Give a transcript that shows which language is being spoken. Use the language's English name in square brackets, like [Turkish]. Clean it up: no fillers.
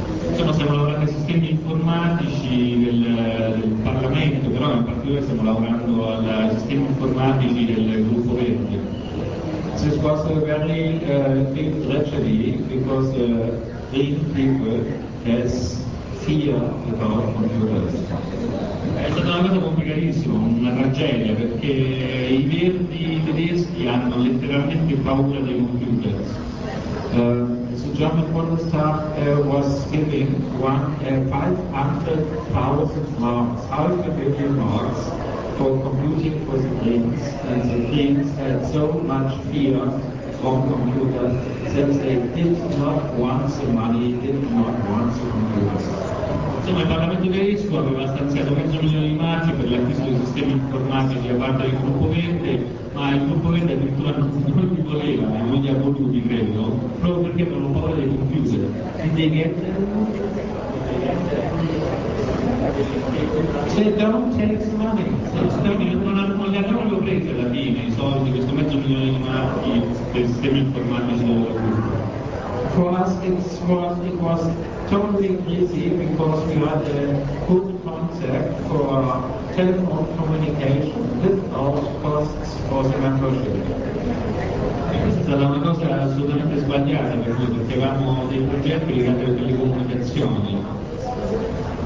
[Italian] Insomma, stiamo lavorando ai sistemi informatici del Parlamento, però in particolare stiamo lavorando ai sistemi informatici del gruppo verde. [English] This was a very big tragedy because the green people has fear about computers. [Italian] È stata una cosa complicatissima, una tragedia, perché i verdi tedeschi hanno letteralmente paura dei computer. [English] The German Bundestag was giving 500,000 marks, half a billion marks, for computing for the Greens, and the Greens had so much fear from computers that they did not want the money, did not want the computers. [Italian] Insomma, il Parlamento tedesco aveva stanziato 500,000 di marchi per l'acquisto dei sistemi informatici da parte del gruppo verde, ma il gruppo verde addirittura non li voleva, non li ha voluti, credo, proprio perché avevano paura dei computer. [English] Did they get them? Se [Italian] non li ho presi alla fine i soldi, questo mezzo milione di marchi del sistema informatico. [English] For us it was totally easy because we had a good concept for telephone communication without costs for the membership. [Italian] È stata una cosa assolutamente sbagliata per noi, perché avevamo dei progetti legati alle telecomunicazioni.